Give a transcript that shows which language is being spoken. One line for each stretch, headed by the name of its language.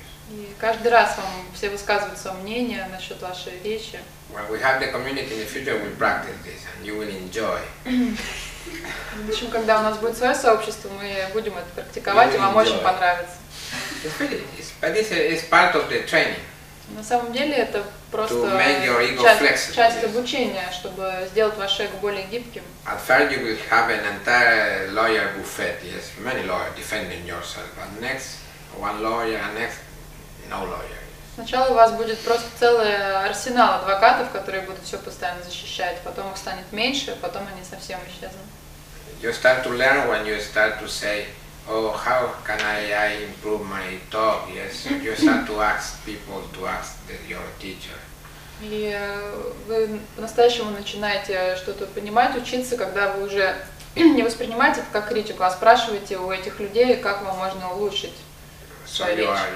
Russian: И каждый раз вам все высказывают свое мнение насчет вашей речи.
English: Well, we have the community in the future, we practice this, and you will enjoy.
Russian: В общем, когда у нас будет свое сообщество, мы будем это практиковать, и вам
English: enjoy.
Russian: Очень понравится.
English: It's part of the training.
Russian: На самом деле, это просто
English: to make your ego flexible,
Russian: часть обучения, чтобы сделать ваше эго более гибким.
English: At first you will have an entire lawyer buffet, yes, many lawyers defending yourself, and next one lawyer, and next no lawyer.
Russian: Сначала у вас будет просто целый арсенал адвокатов, которые будут все постоянно защищать. Потом их станет меньше, потом они совсем исчезнут.
English: You start to learn when you start to say, oh, how can I improve my talk? Yes, you start to ask people, to ask your teacher.
Russian: И вы по-настоящему начинаете что-то понимать, учиться, когда вы уже не воспринимаете это как критику, а спрашиваете у этих людей, как вам можно улучшить свою речь.